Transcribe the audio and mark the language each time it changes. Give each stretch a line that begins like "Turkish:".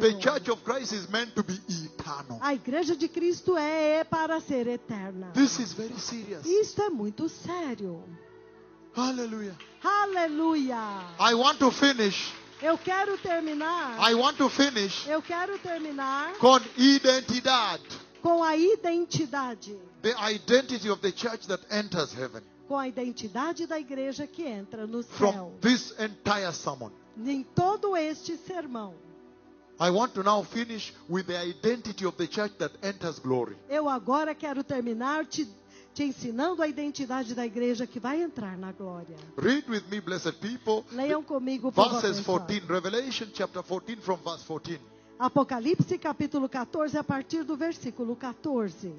English: The Church of Christ is meant to be eternal.
Portuguese: A Igreja de Cristo é para ser eterna.
English: This is very serious.
Portuguese: Isto é muito sério. Hallelujah. Hallelujah.
English: I want to finish.
Portuguese: Eu quero terminar.
English: I want to finish.
Portuguese: Eu quero terminar. Com identidade. Com a identidade.
English: The identity of the church that enters heaven.
Portuguese: Com a identidade da igreja que entra no céu.
English: From this entire sermon.
Portuguese: Em todo este sermão.
English: I want to now finish with the identity of the church that enters glory.
Portuguese: Eu agora quero terminar te ensinando a identidade da igreja que vai entrar na glória.
English: Read with me, blessed people.
Portuguese: Leiam comigo,
English: verses 14, Revelation chapter 14 from verse 14.
Portuguese: Apocalipse capítulo 14 a partir do versículo 14.